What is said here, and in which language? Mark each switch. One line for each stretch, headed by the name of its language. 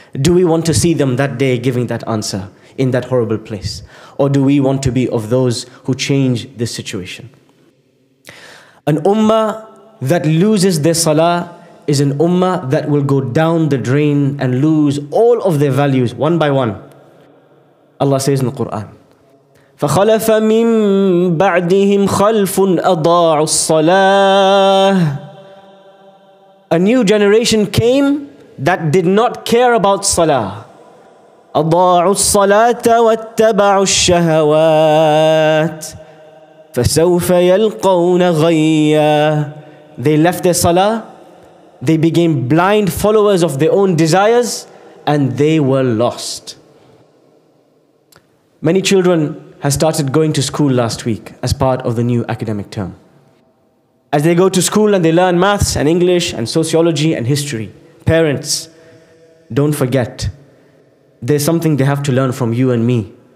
English: Do we want to see them that day giving that answer in that horrible place? Or do we want to be of those who change this situation? An ummah that loses their salah is an ummah that will go down the drain and lose all of their values one by one. Allah says in the Quran,
Arabic: فخلف من بعدهم خلف أضاعوا الصلاة.
English: A new generation came that did not care about salah.
Arabic: أضاعوا الصلاة واتبعوا الشهوات فسوف يلقون غيا.
English: They left their salah. They became blind followers of their own desires and they were lost. Many children have started going to school last week as part of the new academic term. As they go to school and they learn maths and English and sociology and history, parents, don't forget, there's something they have to learn from you and me.